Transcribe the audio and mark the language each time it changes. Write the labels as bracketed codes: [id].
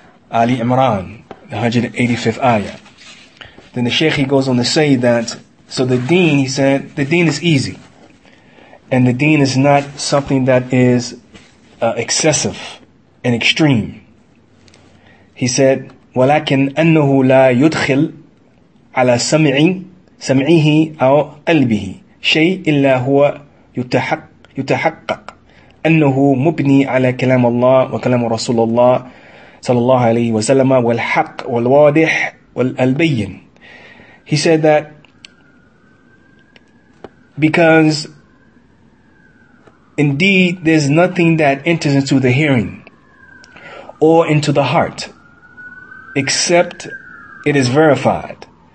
[en] Ali Imran, the 185th ayah. Then the Shaykh, he goes on to say that, so the deen, he said, the deen is easy. And the deen is not something that is excessive and extreme. He said, [ar] وَلَكِنْ أَنَّهُ لَا يُدْخِلْ عَلَى سَمْعٍ سمعه أو قلبه شيء إلا هو يتحقق أنه مبني على كلام الله وكلام رسول الله صلى الله عليه وسلم والحق والواضح والبين. [en] He said that because indeed there's nothing that enters into the hearing or into the heart except it is verified.